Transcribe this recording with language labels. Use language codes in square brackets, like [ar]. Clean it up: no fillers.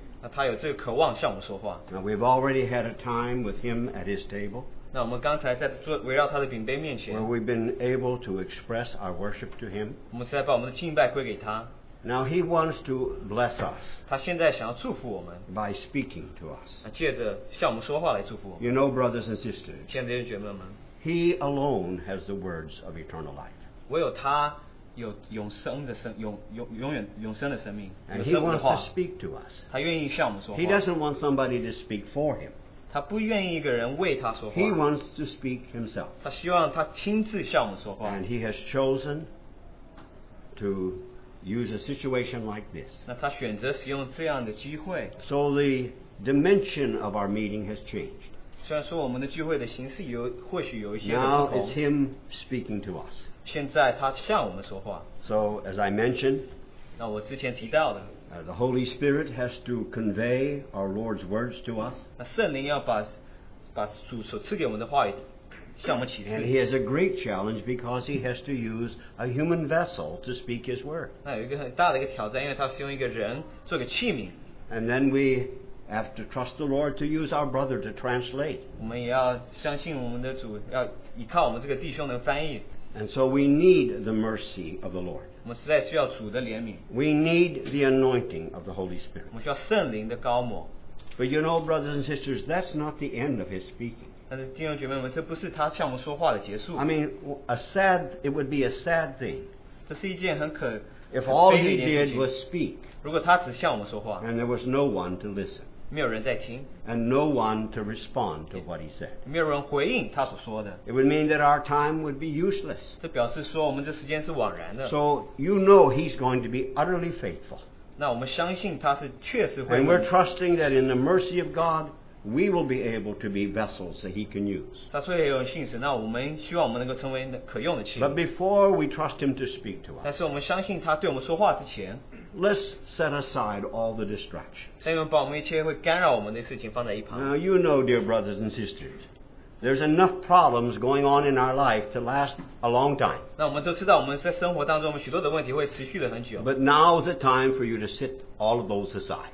[zh] 那他有这个渴望向我们说话。 [en] Now we've already had a time with him at his table. [zh] 那我们刚才在坐围绕他的饼杯面前。 [en] Where we've been able to express our worship to him. [zh] 我们现在把我们的敬拜归给他。 [en] Now he wants to bless us. [zh] 他现在想要祝福我们。 [en] By speaking to us. [zh] 借着向我们说话来祝福我们。 [en] You know, brothers and sisters. [zh] 亲爱的弟兄姐妹们。 [en] He alone has the words of eternal life. [zh] 唯有他。有永生的生永永永远永生的生命 [en] And he wants to speak to us. [zh] 他愿意向我们说话。 [en] He doesn't want somebody to speak for him. [zh] 他不愿意一个人为他说话。 [en] He wants to speak himself. [zh] 他希望他亲自向我们说话。 [en] And he has chosen to use a situation like this. [zh] 那他选择使用这样的机会。 [en] So the dimension of our meeting has changed. [zh] 虽然说我们的聚会的形式有或许有一些不同。 [en] Now it's him speaking to us. [zh] 现在他向我们说话。 [en] So as I mentioned, [zh] 那我之前提到的。 [en] The Holy Spirit has to convey our Lord's words to us. [zh] 那圣灵要把主所赐给我们的话语向我们启示。 [en] And he has a great challenge because he has to use a human vessel to speak his word. [zh] 那有一个很大的一个挑战，因为他是用一个人做个器皿。 [en] And then we. Have to trust the Lord to use our brother to translate. [zh] 我们也要相信我们的主，要依靠我们这个弟兄的翻译。 [en] And so we need the mercy of the Lord. [zh] 我们实在需要主的怜悯。 [en] We need the anointing of the Holy Spirit. [zh] 我们需要圣灵的膏抹。 [en] But you know, brothers and sisters, that's not the end of His speaking. [zh] 但是弟兄姐妹们，这不是他向我们说话的结束。 [en] I mean, a sad. It would be a sad thing. [zh] 这是一件很可。 [en] If all He did was speak. [zh] 如果他只向我们说话。 [en] And there was no one to listen. [zh] 没有人在听 [en] and no one to respond to what he said. [zh] 没有人回应他所说的 [en] It would mean that our time would be useless. [zh] 这表示说我们这时间是枉然的 [en] So you know he's going to be utterly faithful. [zh] 那我们相信他是确实会 [en] And we're trusting that in the mercy of God, we will be able to be vessels that he can use. [zh] 他虽然有信使那我们希望我们能够成为可用的器皿 [en] But before we trust him to speak to us, [zh] 但是我们相信他对我们说话之前 [en] Let's set aside all the distractions. Now you know, dear brothers and sisters, there's enough problems going on in our life to last a long time. But now is the time for you to set all of those aside.